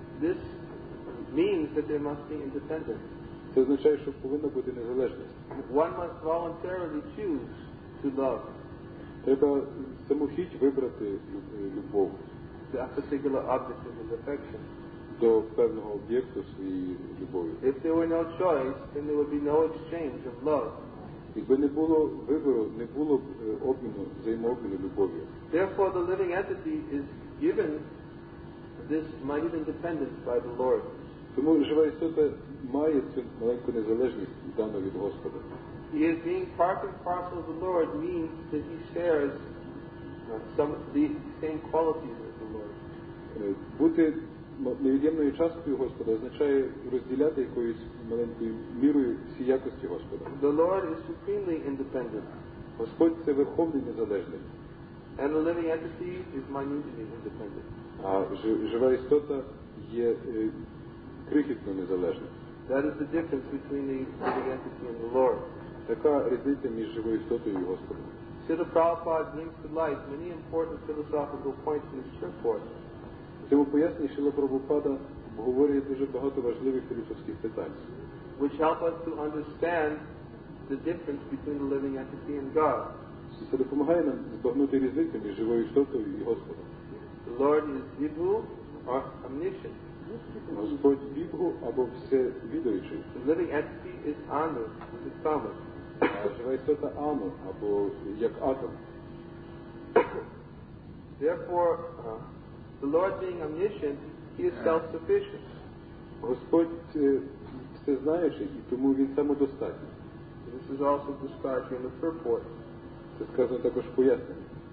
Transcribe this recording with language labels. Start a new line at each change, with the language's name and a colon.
English: This means that there must be independence.
Ukrainian: Це означає, що повинна бути незалежність.
English: One must voluntarily choose to love.
Ukrainian: Треба самохідь вибрати любов.
English: The particular object of his affection.
Ukrainian: До певного об'єкту своєї любові.
English: If there were no choice, then there would be no exchange of love.
Ukrainian: Якби не було вибору, не було б обміну, взаємообміну любові.
English: Therefore, the living entity is given this might even dependence by the Lord.
Ukrainian: Тому жива істота має цю маленьку незалежність дану від Господа.
English: His being part and parcel of the Lord means that he shares some the same qualities as the Lord.
Ukrainian: Бути невід'ємною часткою Господа означає розділяти якоюсь маленькою мірою всі якості Господа.
English: The Lord is supremely independent.
Ukrainian: Господь це верховний незалежний.
English: And the living entity is minutely independent.
Ukrainian: А жива істота є крихітно незалежна.
English: That is the difference between the living entity and the Lord.
Ukrainian: Така різниця між живою істотою і Господом.
English: Śrīla Prabhupāda brings to light many important philosophical points in his purport.
Ukrainian: Цьому поясненню Śrīla Prabhupāda обговорює дуже багато важливих філософських питань.
English: Which help us to understand the difference between the living entity and God.
Ukrainian: Це допомагає нам збагнути різницю між живою істотою і Господом.
English: The Lord is Vibhu or omniscient.
Ukrainian: Господь Вібху або Всевідуючий.
English: The living entity is Anu, the Sama.
Ukrainian: Жива істота Анну або як атом.
English: Therefore, the Lord being omniscient, he is self-sufficient.
Ukrainian: Господь всезнаючий, і тому він самодостатній.
English: This is also described in the purport.
Ukrainian: Це сказано також в поясненні.